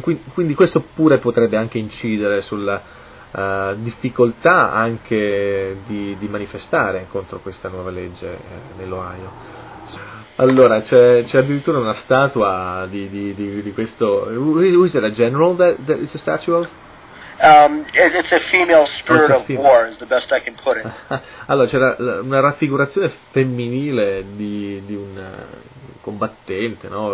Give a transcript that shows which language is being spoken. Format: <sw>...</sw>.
<it>Quindi questo pure potrebbe anche incidere sulla difficoltà anche di manifestare contro questa nuova legge nell'Ohio. Allora, c'è addirittura una statua di questo.</it> <en>Who is it, a general that it's a statue of? It's a female spirit of war, is the best I can put it.</en> <it>Allora, c'era una raffigurazione femminile di un combattente, no?</it>